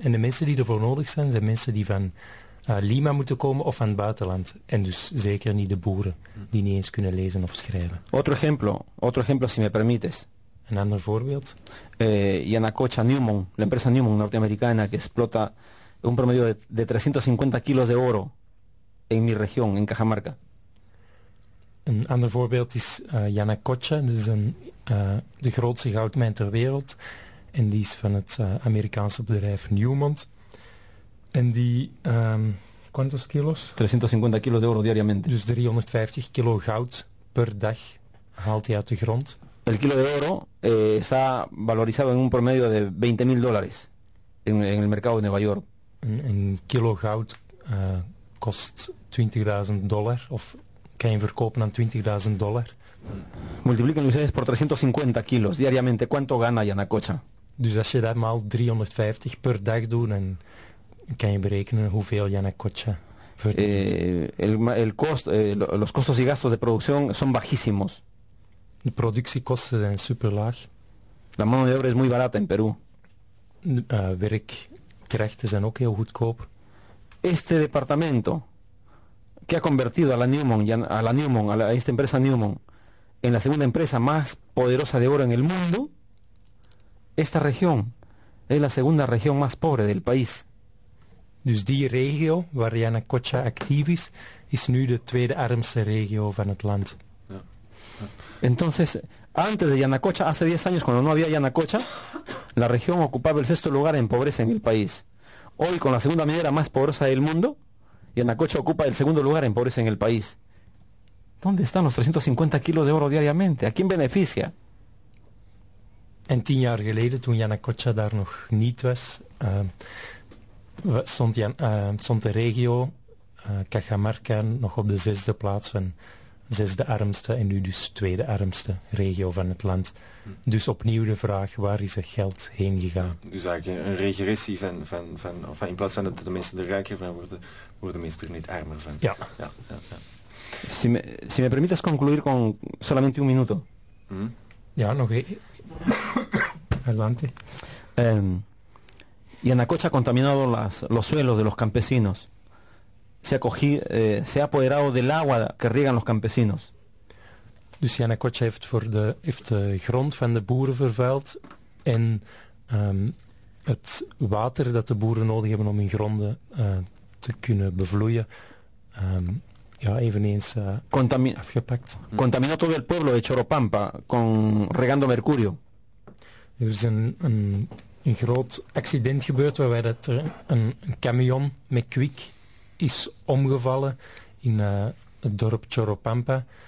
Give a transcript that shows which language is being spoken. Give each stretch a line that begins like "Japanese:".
Dutch: En de mensen die ervoor nodig zijn, zijn mensen die van Lima moeten komen of van het buitenland. En dus zeker niet de boeren, die niet eens kunnen lezen of schrijven.
Spanish: Otro ejemplo, si me permites. Un otro ejemplo. Yanacocha Newmont, la empresa Newmont norteamericana que explota un promedio de 350 kilos de oro en mi región, en Cajamarca. Un otro ejemplo es Yanacocha, que es la
Dutch: grootste goudmijn ter wereld. En die is van het Amerikaanse bedrijf Newmont. En die,
Spanish: ¿cuántos kilos? 350 kilos de oro diariamente.
Dutch: Dus 350 kilo goud per dag haalt hij uit de grond.
Spanish: El kilo de oro está valorizado en un promedio de $20,000 en el mercado de Nueva York.
Dutch: Un kilo goud kost $20,000 of kan je verkopen aan $20,000.
Spanish: Multipliquen ustedes por 350 kilos diariamente. ¿Cuánto gana Yanacocha?
Dutch: Dus als je dat maal 350 per dag doet, dan kan je berekenen hoeveel Yanacocha verdient.
Spanish: Los costos y gastos de producción son bajísimos.
Dutch: De productiekosten zijn superlaag.
Spanish: La mano de obra es muy barata en Perú.
Dutch: Werkkrachten zijn ook heel goedkoop.
Spanish: Este departamento que ha convertido a la Newmont, esta empresa Newmont, en la segunda empresa más poderosa de oro en el mundo, esta región es la segunda región más pobre del país.
Dutch: Dus die regio waar Yanacocha actief is, is nu de tweede armste regio van het land.
Spanish: Entonces, antes de Yanacocha, hace 10 años, cuando no había Yanacocha, la región ocupaba el sexto lugar en pobreza en el país. Hoy, con la segunda minera más poderosa del mundo, Yanacocha ocupa el segundo lugar en pobreza en el país. ¿Dónde están los 350 kilos de oro diariamente? ¿A quién beneficia?
Dutch: En 10 jaar geleden, toen Yanacocha daar nog niet was, stond de regio Cajamarca nog op de zesde plaats van zesde armste en nu dus tweede armste regio van het land. Dus opnieuw de vraag, waar is het geld heen gegaan? Dus eigenlijk een regressie van in plaats van dat de mensen er rijker van worden, worden de mensen er niet armer van. Ja.
Spanish: Si me permites concluir con solamente un minuto.
Dutch: Ja, nog adelante.
Spanish: Yanacocha ha contaminado los suelos de los campesinos. Se ha apoderado del agua que riegan los campesinos.
Dutch: Dus Yanacocha heeft de grond van de boeren vervuild en het water dat de boeren nodig hebben om hun gronden te kunnen bevloeien, eveneens afgepakt.
Spanish: Contaminó todo el pueblo de Choropampa con regando mercurio.
Dutch: Er is een groot accident gebeurd waarbij dat er een camion met kwik is omgevallen in het dorp Choropampa.